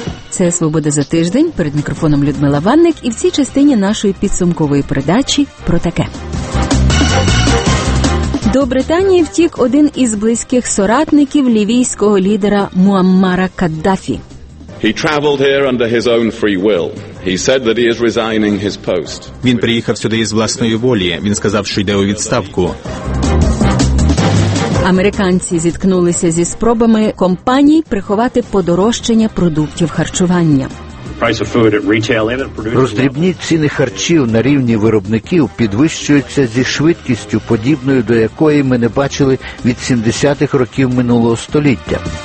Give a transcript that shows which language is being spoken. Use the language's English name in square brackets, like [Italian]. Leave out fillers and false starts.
[Ukrainian] Це «Свобода за тиждень». Перед мікрофоном Людмила Ванник і в цій частині нашої підсумкової передачі про таке. До Британії втік один із близьких соратників лівійського лідера Муаммара Каддафі. [English] He traveled here under his own free will. He said that he is resigning his post. [Ukrainian] Він приїхав сюди із власної волі. Він сказав, що йде у відставку. Американці зіткнулися зі спробами компаній приховати подорожчання продуктів харчування. Роздрібніть ціни харчів на рівні виробників підвищуються зі швидкістю, подібною до якої ми не бачили від 70-х років минулого століття.